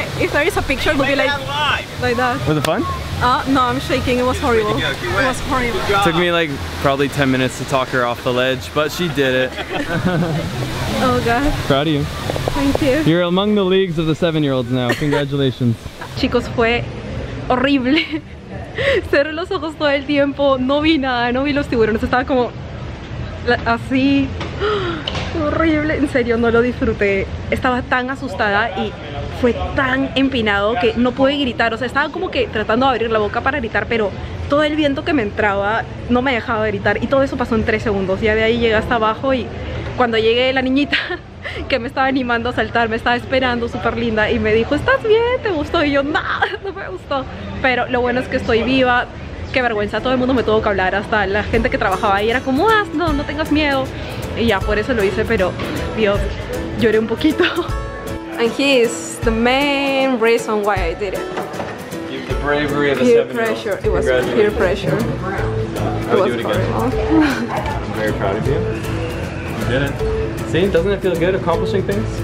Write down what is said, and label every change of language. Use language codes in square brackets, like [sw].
[en] If there is a picture, would be like that. Was it fun? No, I'm shaking. It was horrible. It was horrible. Took me like probably 10 minutes to talk her off the ledge, but she did it. Oh God. Proud of you. Thank you. You're among the leagues of the 7-year-olds now. Congratulations. [es] Chicos, fue horrible. Cerré los ojos todo el tiempo. No vi nada. No vi los tiburones. Estaba como así. Horrible. En serio, no lo disfruté. Estaba tan asustada y fue tan empinado que no pude gritar. O sea, estaba como que tratando de abrir la boca para gritar, pero todo el viento que me entraba no me dejaba gritar. Y todo eso pasó en 3 segundos. Ya de ahí llegué hasta abajo y cuando llegué, la niñita que me estaba animando a saltar me estaba esperando, súper linda, y me dijo, ¿estás bien? ¿Te gustó? Y yo, no, no me gustó. Pero lo bueno es que estoy viva. Qué vergüenza, todo el mundo me tuvo que hablar. Hasta la gente que trabajaba ahí era como, ah, no, no tengas miedo. Y ya, por eso lo hice, pero Dios, lloré un poquito. [en] And he is the main reason why I did it. The bravery of a 7-year-old. Peer pressure. It was peer pressure. I would do it again. I'm very proud of you. You did it. See, doesn't it feel good accomplishing things?